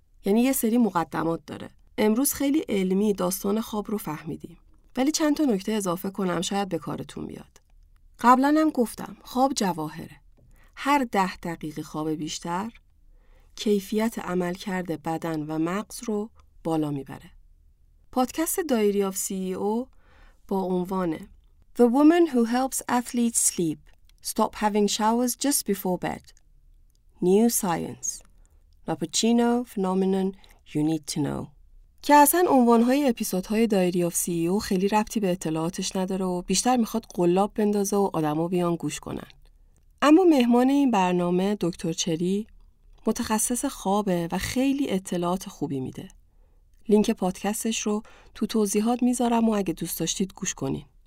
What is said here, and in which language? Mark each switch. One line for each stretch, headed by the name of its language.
Persian: یعنی یه سری مقدمات داره. امروز خیلی علمی داستان خواب رو فهمیدیم. ولی چند تا نکته اضافه کنم شاید به کارتون بیاد. قبلا هم گفتم خواب جواهره. هر 10 دقیقه خواب بیشتر کیفیت عملکرد بدن و مغز رو بالا میبره. پادکست دایری آف سی ای او با عنوانه
English: The woman who helps athletes sleep, stop having showers just before bed. New science. Lappuccino phenomenon you need to know.
Persian: که اصلا عنوانهای اپیزودهای دایری آف سی ای او خیلی ربطی به اطلاعاتش نداره و بیشتر میخواد قلاب بندازه و آدم ها بیان گوش کنن. اما مهمان این برنامه دکتر چری متخصص خوابه و خیلی اطلاعات خوبی میده. لینک پادکستش رو تو توضیحات میذارم و اگه دوست داشتید گوش کنین.